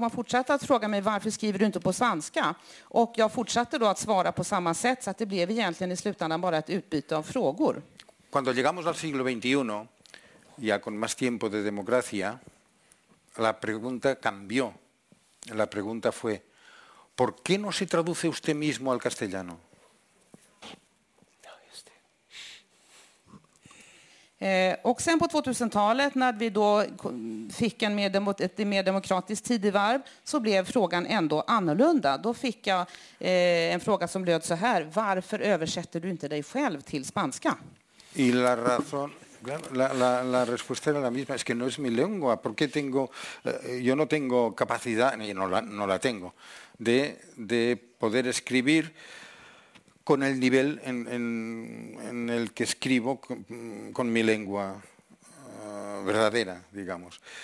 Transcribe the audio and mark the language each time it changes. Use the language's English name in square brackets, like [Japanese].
[Swedish] Man fortsatte att fråga mig, varför skriver du inte på svenska? Och jag fortsatte då att svara på samma sätt, så att det blev egentligen i slutändan bara ett utbyte av frågor. [Spanish] Cuando llegamos al siglo 21, ya con más tiempo de democracia, la pregunta cambió. La pregunta fue: ¿por qué no se traduce usted mismo al castellano? [Swedish] Och sen på 2000-talet, när vi då fick ett mer demokratiskt tidevarv, så blev frågan ändå annorlunda. Då fick jag en fråga som löd så här: varför översätter du inte dig själv till spanska? [Spanish] Y la razón, la respuesta era la misma, es que no es mi lengua, porque tengo, yo no tengo capacidad, ni no la tengo, de poder escribir con el nivel en el que escribo con mi lengua verdadera, digamos.